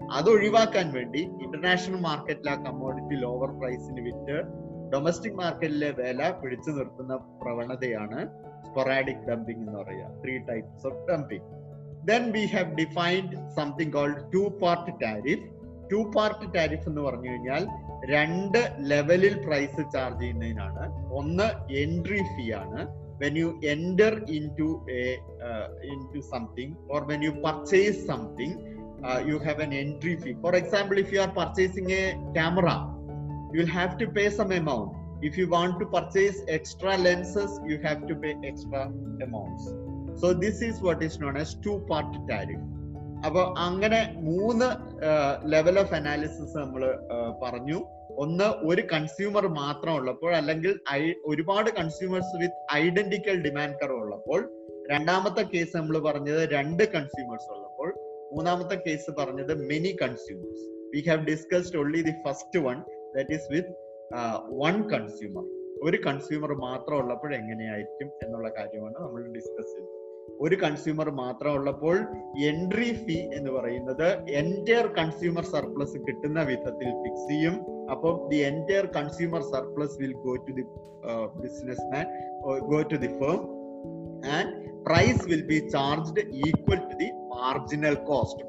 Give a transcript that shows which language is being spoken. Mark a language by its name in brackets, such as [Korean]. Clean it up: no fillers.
[Malayalam] അതൊഴിവാക്കാൻ വേണ്ടി ഇന്റർനാഷണൽ മാർക്കറ്റിലെ ആ കമോഡിറ്റി ലോവർ പ്രൈസിന് വിറ്റ് ഡൊമസ്റ്റിക് മാർക്കറ്റിലെ വില പിടിച്ചു നിർത്തുന്ന പ്രവണതയാണ് സ്പൊറാഡിക് ഡംപിങ് എന്ന് പറയുക. [English] Three types of dumping. Then we have defined something called two part tariff. [Malayalam] To part tariff എന്ന് പറഞ്ഞു കഴിഞ്ഞാൽ രണ്ട് ലെവലിൽ പ്രൈസ് ചാർജ് ചെയ്യുന്നതിനാണ്. ഒന്ന് എൻട്രി ഫീ ആണ്. [English] When you enter into into something, or when you purchase something, you have an entry fee. For example, if you are purchasing a camera, you will have to pay some amount. If you want to purchase extra lenses, you have to pay extra amounts. So this is what is known as two-part tariff. [Malayalam] Appo angane moonu [English] level of analysis [Malayalam] nammal paranju. ഒന്ന്, ഒരു consumer മാത്രം ഉള്ളപ്പോൾ, അല്ലെങ്കിൽ ഒരുപാട് consumers [English] with identical demand curve [Malayalam] ഉള്ളപ്പോൾ. രണ്ടാമത്തെ case നമ്മൾ പറഞ്ഞത് രണ്ട് കൺസ്യൂമേഴ്സ് ഉള്ളപ്പോൾ. മൂന്നാമത്തെ കേസ് പറഞ്ഞത് [English] Many consumers. we have discussed only the first one, that is with one consumer. [Malayalam] ഒരു കൺസ്യൂമർ മാത്രം ഉള്ളപ്പോൾ എങ്ങനെയായിരിക്കും എന്നുള്ള കാര്യമാണ് നമ്മൾ ഡിസ്കസ് ചെയ്തത്. ഒരു കൺസ്യൂമർ മാത്രം ഉള്ളപ്പോൾ എൻട്രി ഫീ എന്ന് പറയുന്നത് എൻറ്റയർ കൺസ്യൂമർ സർപ്ലസ് കിട്ടുന്ന വിധത്തിൽ ഫിക്സ് ചെയ്യും. അപ്പോൾ [English] The entire consumer surplus will go to the businessman, go to the firm, and price will be charged equal to the marginal cost.